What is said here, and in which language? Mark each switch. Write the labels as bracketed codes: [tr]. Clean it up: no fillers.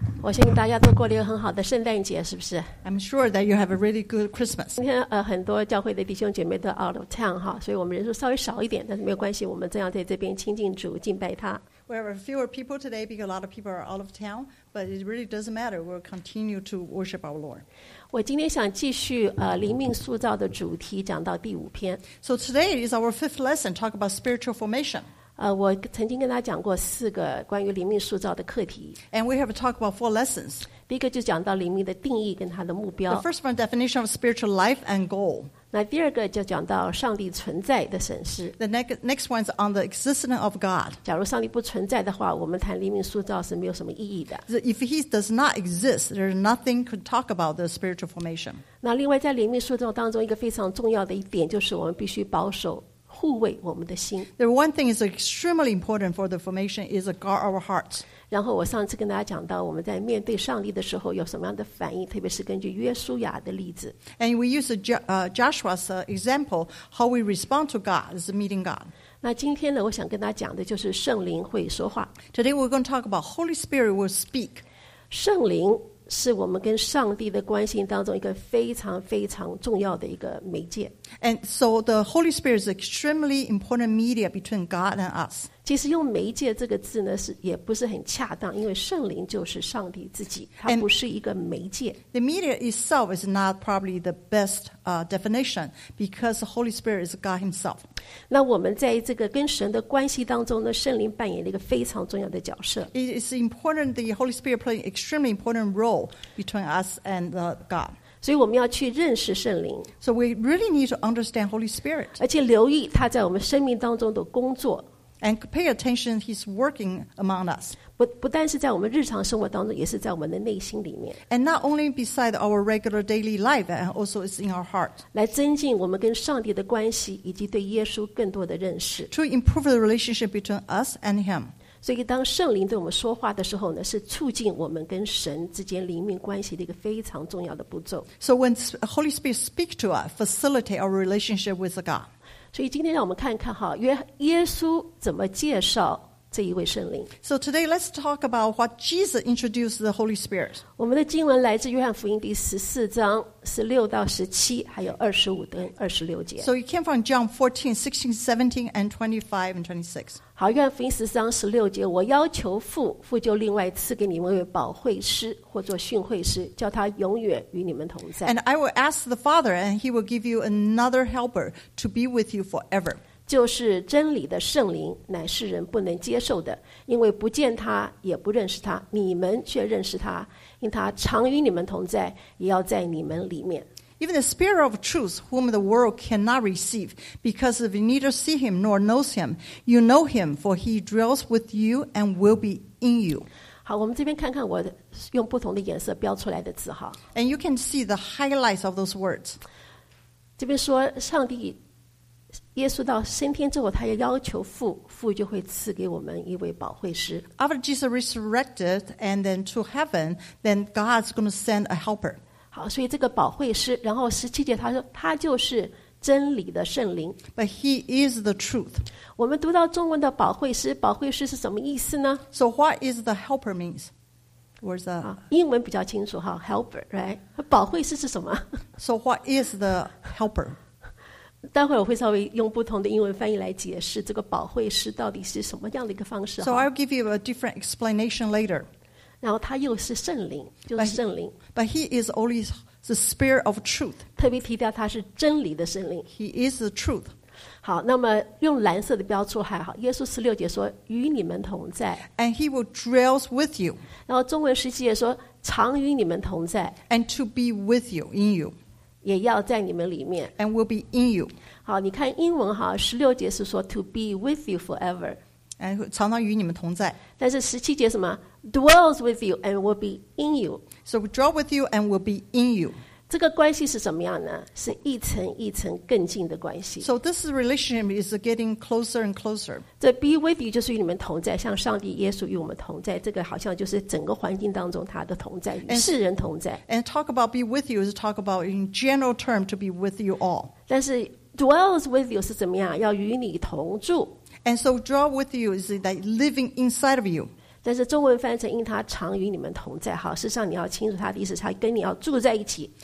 [zh] 我相信大家都过了一个很好的圣诞节，是不是 [en] ？I'm sure that you have a really good Christmas. [zh] 今天很多教会的弟兄姐妹都 [en] out of town [zh] 哈，所以我们人数稍微少一点，但是没有关系，我们正要在这边亲近主，敬拜他。 [en] We have fewer people today because a lot of people are out of town, but it really doesn't matter. We'll continue to worship our Lord. [zh] 我今天想继续灵命塑造的主题讲到第五篇。 [en] So today is our fifth lesson, talk about spiritual formation. [zh] 我曾经跟大家讲过四个关于灵命塑造的课题。 [en] And we have talked about four lessons. [zh] 第一个就讲到灵命的定义跟它的目标。 [en] The first one, definition of spiritual life and goal. [zh] 那第二个就讲到上帝存在的审视。 [en] The next one is on the existence of God. [zh] 假如上帝不存在的话，我们谈灵命塑造是没有什么意义的。 [en] If he does not exist, there is nothing could talk about the spiritual formation. [zh] 那另外在灵命塑造当中一个非常重要的一点就是我们必须保守护卫我们的心。 [en] The one thing is extremely important for the formation is to guard our hearts. [zh] 然后我上次跟大家讲到我们在面对上帝的时候有什么样的反应，特别是根据约书亚的例子。 [en] And we use Joshua's example, how we respond to God is meeting God. [zh] 那今天呢，我想跟大家讲的就是圣灵会说话。 [en] Today we're going to talk about Holy Spirit will speak. [zh] 圣灵是我们跟上帝的关系当中一个非常非常重要的一个媒介。 [en] And so the Holy Spirit is extremely important media between God and us. [zh] 其实用媒介这个字呢，是也不是很恰当，因为圣灵就是上帝自己，它不是一个媒介。 [en] And the media itself is not probably the best definition because the Holy Spirit is God himself. [zh] 那我们在这个跟神的关系当中呢，圣灵扮演了一个非常重要的角色。 [en] It is important, the Holy Spirit plays an extremely important role between us and God. [zh] 所以我们要去认识圣灵。 [en] So we really need to understand Holy Spirit. [zh] 而且留意他在我们生命当中的工作。 [en] And pay attention, he's working among us. [zh] 不但是在我们日常生活当中，也是在我们的内心里面。 [en] And not only beside our regular daily life, and also it's in our heart. [zh] 来增进我们跟上帝的关系，以及对耶稣更多的认识。 [en] To improve the relationship between us and him. [zh] 所以当圣灵对我们说话的时候呢，是促进我们跟神之间灵命关系的一个非常重要的步骤。 [en] So when Holy Spirit speaks to us, facilitate our relationship with God. [zh] 所以今天让我们看看哈，耶稣怎么介绍这一位圣灵。 [en] So today let's talk about what Jesus introduced the Holy Spirit. [zh] 我们的经文来自约翰福音第14章16到17还有25跟26节。 [en] So you came from John 14, 16, 17 and 25 and 26. [zh] 好，约翰福音十章十六节，我要求父，父就另外赐给你们为保惠师，或做训诲师，叫他永远与你们同在。 [en] And I will ask the Father, and he will give you another helper to be with you forever. [zh] 就是真理的圣灵，乃世人不能接受的，因为不见他，也不认识他，你们却认识他，因他常与你们同在，也要在你们里面。 [en] Even the Spirit of truth, whom the world cannot receive, because if you neither see him nor knows him, you know him, for he dwells with you and will be in you. [zh] 好，我们这边看看我用不同的颜色标出来的字哈。 [en] And you can see the highlights of those words. [zh] 这边说上帝耶稣到升天之后，他要求父，父就会赐给我们一位保惠师。 [en] After Jesus resurrected and then to heaven, then God's going to send a helper. [zh] 好，所以这个保惠师，然后十七节他说他就是真理的圣灵。 [en] But he is the truth. [zh] 我们读到中文的保惠师，保惠师是什么意思呢 [en] ？So what is the helper means? Where's the [zh] 英文比较清楚哈 ， [en] helper, right? [zh] 保惠师是什么 [en] ？So what is the helper? [zh] 待会我会稍微用不同的英文翻译来解释这个保惠师到底是什么样的一个方式。 [en] So I'll give you a different explanation later. [zh] 然后他又是圣灵，就是圣灵。 [en] But he is only the Spirit of truth. [zh] 特别提到他是真理的圣灵。 [en] He is the truth. [zh] 好，那么用蓝色的标出还好。耶稣十六节说与你们同在。 [en] And he will dwells with you. [zh] 然后中文十七节说常与你们同在。 [en] And to be with you, in you. [zh] 也要在你们里面。 [en] And will be in you. [zh] 好，你看英文哈，十六节是说 [en] to be with you forever. [zh] And 常常与你们同在。但是十七节什么？ [en] Dwells with you and will be in you. So dwell with you and will be in you. [zh] 这个关系是怎么样呢？是一层一层更近的关系。 [en] So this relationship is getting closer and closer. [zh] 这 [en] be with you [zh] 就是与你们同在，像上帝耶稣与我们同在，这个好像就是整个环境当中他的同在，与世人同在。 [en] And talk about be with you is talk about in general term to be with you all. [zh] 但是 [en] dwells with you [zh] 是怎么样？要与你同住。 [en] And so dwell with you is that living inside of you. [zh] 但是中文翻成因他常与你们同在，好，事实上你要清楚他的意思，他跟你要住在一起。